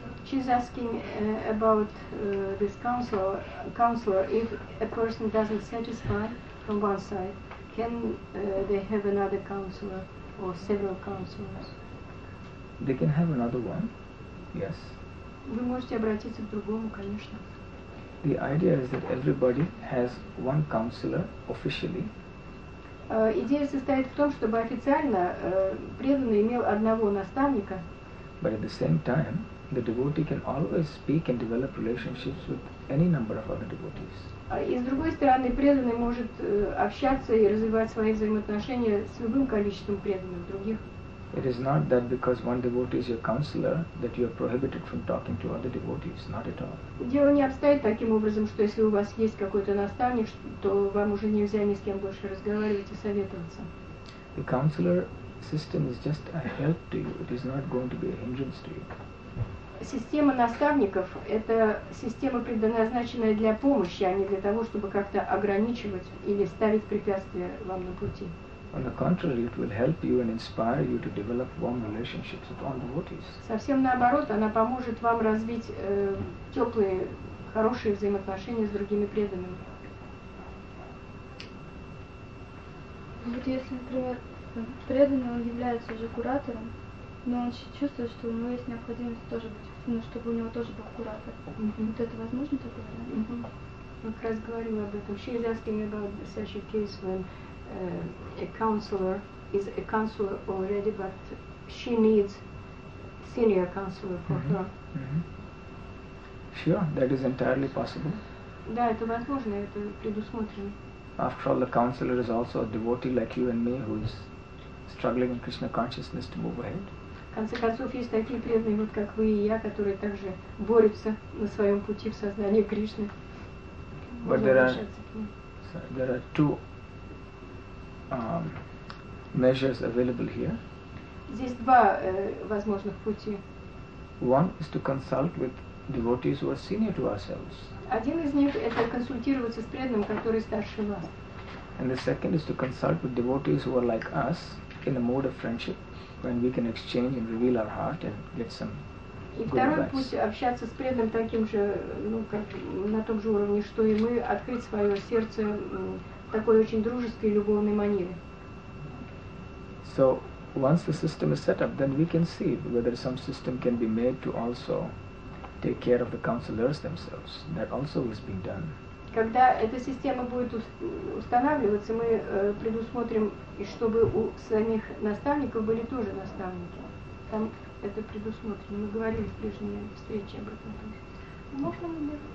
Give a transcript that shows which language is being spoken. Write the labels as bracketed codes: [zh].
[en] She's asking about this counselor, if a person doesn't satisfy from one side, can they have another counselor or several counselors? They can have another one, yes. [ru] Вы можете обратиться к другому, конечно. [en] The idea is that everybody has one counselor officially. [ru] Идея состоит в том, чтобы официально преданный имел одного наставника. [en] But at the same time, the devotee can always speak and develop relationships with any number of other devotees. [ru] И с другой стороны, преданный может общаться и развивать свои взаимоотношения с любым количеством преданных других. [en] It is not that because one devotee is your counselor that you are prohibited from talking to other devotees. Not at all. [ru] Дело не обстоит таким образом, что если у вас есть какой-то наставник, то вам уже нельзя ни с кем больше разговаривать и советоваться. [en] The counselor system is just a help to you. It is not going to be a hindrance to you. [ru] Система наставников – это система, предназначенная для помощи, а не для того, чтобы как-то ограничивать или ставить препятствия вам на пути. [en] On the contrary, it will help you and inspire you to develop warm relationships with all devotees. [ru] Совсем наоборот, она поможет вам развить теплые, хорошие взаимоотношения с другими преданными. Вот если, например, преданный, он является уже куратором, но он чувствует, что у него есть необходимость тоже быть, ну, чтобы у него тоже был куратор. Mm-hmm. Вот это возможно такое, да? Mm-hmm. Как раз говорила об этом. [en] She is asking about such a case when a counselor is a counselor already, but she needs senior counselor for mm-hmm. her. Mm-hmm. Sure, that is entirely possible. [ru] Да, это возможно, это предусмотрено. [en] After all, the counselor is also a devotee like you and me who is struggling in Krishna consciousness to move ahead. [ru] В конце концов, есть такие преданные, вот как вы и я, которые также борются на своем пути в сознании Кришны. [en] But there are two measures available here. [ru] Здесь два возможных пути. [en] One is to consult with devotees who are senior to ourselves. [ru] Один из них – это консультироваться с преданным, который старше вас. [en] And the second is to consult with devotees who are like us in a mode of friendship. When we can exchange and reveal our heart and get some good advice. [ru] И второй путь общаться с преданным таким же, ну как на том же уровне, что и мы, открыть свое сердце в такой очень дружеской и любовной манере. [en] So once the system is set up, then we can see whether some system can be made to also take care of the counselors themselves. That also is being done. [ru] Когда эта система будет устанавливаться, мы предусмотрим, и чтобы у самих наставников были тоже наставники. Там это предусмотрено. Мы говорили в прежней встрече об этом. Можно мне?